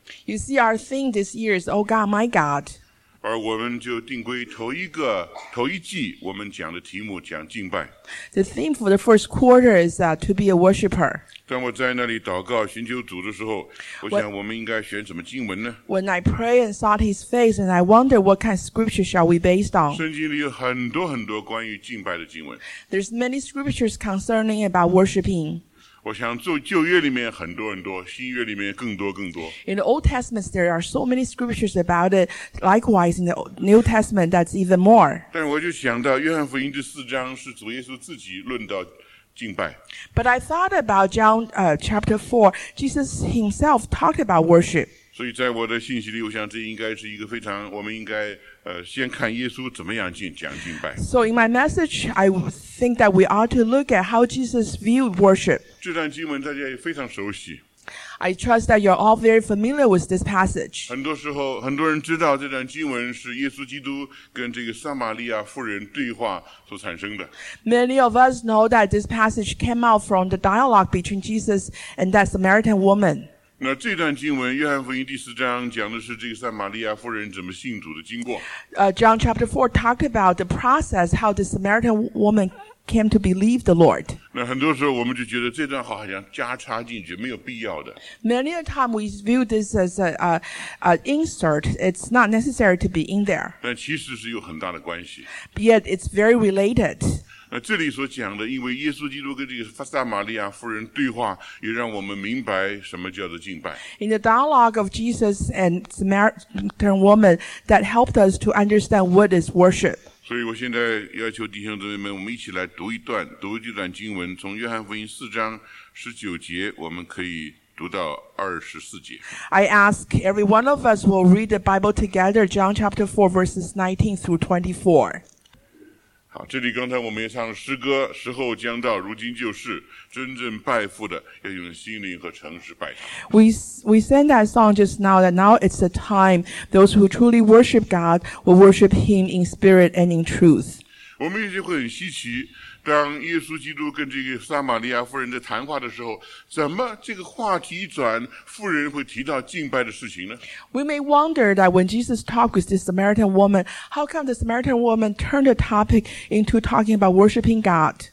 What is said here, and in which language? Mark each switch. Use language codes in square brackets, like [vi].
[en] You see our theme this year is Oh God, my God. [zh] 而我们就定规头一季我们讲的题目讲敬拜。 [en] The theme for the first quarter is to be a worshipper. [zh] 当我在那里祷告寻求主的时候，我想我们应该选什么经文呢？ [en] When I pray and sought his face and I wonder what kind of scripture shall we based on? [zh] 圣经里有很多很多关于敬拜的经文。 [en] There's many scriptures concerning about worshiping. [zh] 我想旧约里面很多很多，新约里面更多更多。 [en] In the Old Testament there are so many scriptures about it, likewise in the New Testament that's even more. [zh] 但我就想到约翰福音第四章是主耶稣自己论到敬拜。 [en] But I thought about John, chapter 4, Jesus himself talked about worship. [zh] 所以在我的信息里，我想这应该是一个非常，我们应该先看耶稣怎么样讲敬拜。 [en] So in my message, I think that we ought to look at how Jesus viewed worship. [zh] 这段经文大家也非常熟悉。 [en] I trust that you're all very familiar with this passage. [zh] 很多时候，很多人知道这段经文是耶稣基督跟这个撒玛利亚妇人对话所产生的。 [en] Many of us know that this passage came out from the dialogue between Jesus and that Samaritan woman. [zh] 那这段经文，约翰福音第四章讲的是这个撒玛利亚妇人怎么信主的经过。 [en] John chapter 4 talked about the process how the Samaritan woman came to believe the Lord. [zh] 那很多时候我们就觉得这段话好像加插进去，没有必要的。 [en] Many a time we view this as an insert. It's not necessary to be in there. [zh] 但其实是有很大的关系。 [en] Yet it's very related. [zh] 那这里所讲的，因为耶稣基督跟这个撒玛利亚妇人对话，也让我们明白什么叫做敬拜。 [en] In the dialogue of Jesus and Samaritan woman, that helped us to understand what is worship. [zh] 所以我现在要求弟兄姊妹们，我们一起来读一段，读这段经文，从约翰福音四章十九节，我们可以读到二十四节。 [en] I ask every one of us will read the Bible together, John chapter 4, verses 19 through 24. [zh] 好，这里刚才我们也唱了诗歌，时候将到，如今就是，真正拜父的要用心灵和诚实拜他。 [en] We sang that song just now, that now it's the time those who truly worship God will worship Him in spirit and in truth. [zh] 我们有些会很稀奇，当耶稣基督跟这个撒玛利亚妇人在谈话的时候，怎么这个话题转，妇人会提到敬拜的事情呢？ [en] We may wonder that when Jesus talked with this Samaritan woman, how come the Samaritan woman turned the topic into talking about worshiping God?